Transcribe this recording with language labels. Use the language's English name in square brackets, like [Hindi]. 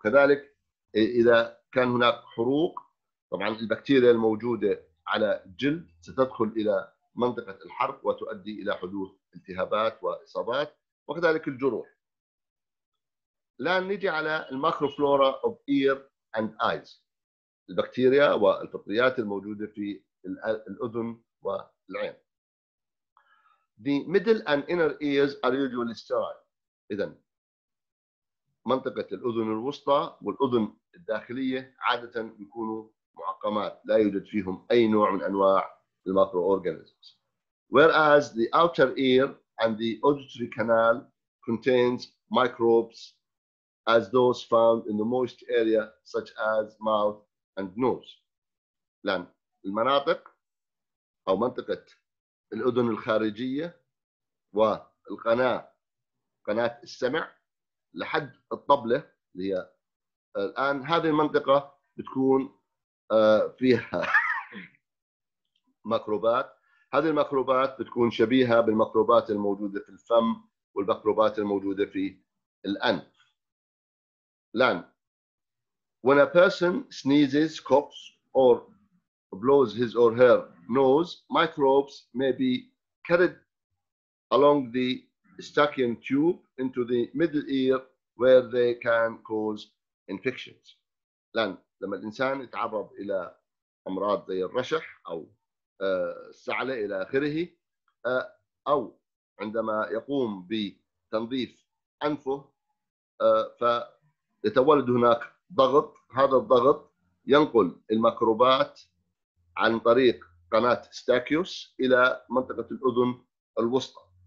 [Arabic] كذلك إذا كان هناك حروق، طبعا البكتيريا الموجودة على الجلد ستدخل إلى منطقة الحرق وتؤدي إلى حدوث التهابات وإصابات، وكذلك الجروح. الآن نجي على الميكروفلورا [English] of ear and eyes، [Arabic] البكتيريا والفطريات الموجودة في الأذن والعين. [English] The middle and inner ears are usually sterile. [Arabic] إذن منطقة الأذن الوسطى والأذن الداخلية عادة يكونوا معقمات، لا يوجد فيهم أي نوع من أنواع الميكرو أورجانيزمز. [English] Whereas the outer ear and the auditory canal contains microbes as those found in the moist area such as mouth and nose. [Arabic] لأن المناطق أو منطقة الأذن الخارجية والقناة، قناة السمع لحد الطبلة اللي هي الآن، هذه المنطقة بتكون فيها ميكروبات. هذه الميكروبات بتكون شبيهة بالميكروبات الموجودة في الفم والميكروبات الموجودة في الأنف. [English] الآن when a person sneezes, coughs or blows his or her nose, microbes may be carried along the Eustachian tube into the middle ear where they can cause infections. [Arabic] لما الإنسان يتعرض إلى أمراض زي الرشح أو السعلة إلى آخره، أو عندما يقوم بتنظيف أنفه فيتولد هناك ضغط، هذا الضغط ينقل الميكروبات عن طريق قناة ستاكيوس إلى منطقة الأذن الوسطى.